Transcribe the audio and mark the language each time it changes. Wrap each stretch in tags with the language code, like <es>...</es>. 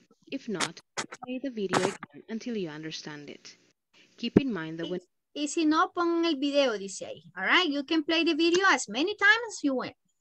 <en>If not, play the video again until you understand it. Keep in mind that when...</en> <es>Y si no, pongan el video, dice ahí.</es> <en>All right? You can play the video as many times as you want.</en>